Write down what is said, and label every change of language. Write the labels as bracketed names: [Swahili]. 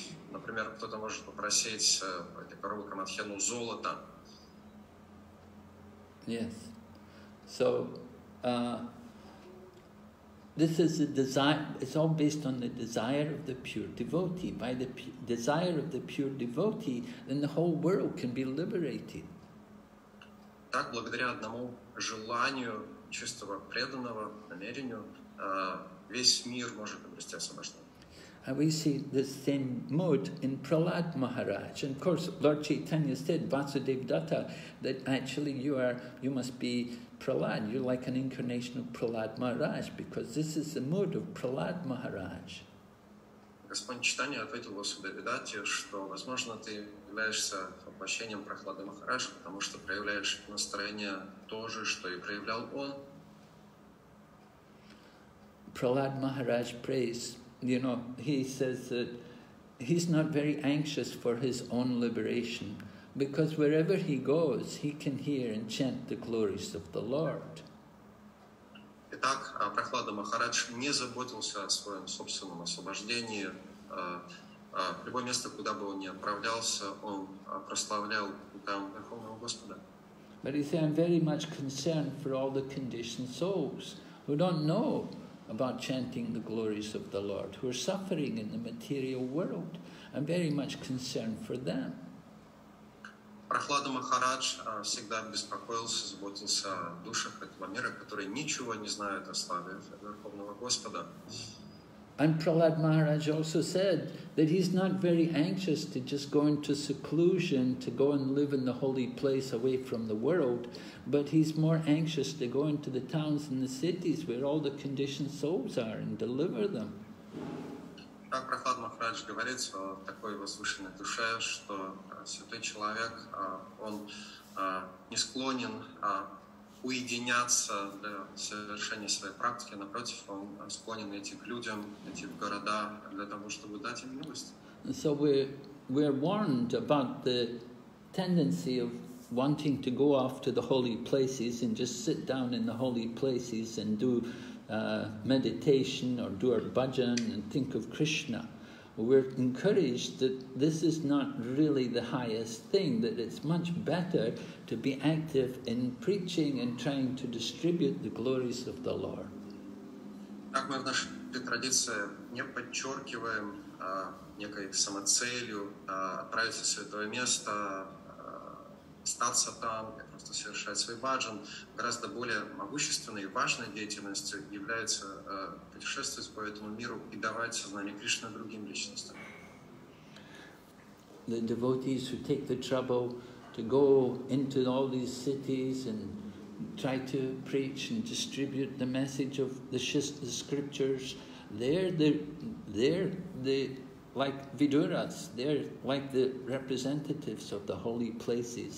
[Russian] Например, кто-то может попросить этой коровы Камадхену золото. [English] Yes. So, this is a desire, it's all based on the desire of the pure devotee. By the desire of the pure devotee, then the whole world can be liberated. [Russian] Так, благодаря одному желанию чистого преданного, намерению, весь мир может обрести освобождение. [English] we see the same mood in Prahlad Maharaj. And of course, Lord Chaitanya said, Vasudeva Datta, that actually you must be Prahlad. You're like an incarnation of Prahlad Maharaj, because this is the mood of Prahlad Maharaj. [Russian] Господь Читания ответил Васудеве Датте, что, возможно, ты являешься воплощением Прахлады Махарадж, потому что проявляешь настроение то же, что и проявлял он. [English] Prahlad Maharaj prays, you know, he says that he's not very anxious for his own liberation, because wherever he goes, he can hear and chant the glories of the Lord. [Russian] Итак, Прахлада Махарадж не заботился о своем собственном освобождении. В любое место, куда бы он ни отправлялся, он прославлял там Верховного Господа. [English] But he said, I'm very much concerned for all the conditioned souls who don't know about chanting the glories of the Lord, who are suffering in the material world. I'm very much concerned for them. [Russian] Прахлада Махарадж всегда беспокоился, заботился о душах этого мира, которые ничего не знают о славе Верховного Господа. [English] And Prahlad Maharaj also said that he's not very anxious to just go into seclusion, to go and live in the holy place away from the world, but he's more anxious to go into the towns and the cities where all the conditioned souls are and deliver them. [Russian] Так Прахлад Махарадж говорит в такой возвышенной душе, что святой человек, он не склонен уединяться для совершения своей практики, напротив, он склонен идти к людям, идти в города для того, чтобы дать им милость. [English] And so we're warned about the tendency of wanting to go off to the holy places and just sit down in the holy places and do meditation or do our bhajan and think of Krishna. We're encouraged that this is not really the highest thing, that it's much better to be active in preaching and trying to distribute the glories of the Lord. [Russian] Так мы в нашей традиции не подчеркиваем некой самоцелью отправиться в святое место, остаться там, просто совершать свой баджан. Гораздо более могущественной и важной деятельностью является путешествовать по этому миру и давать сознание Кришны другим личностям. [English] The devotees who take the trouble to go into all these cities and try to preach and distribute the message of the scriptures, like Viduras, they're like the representatives of the holy places.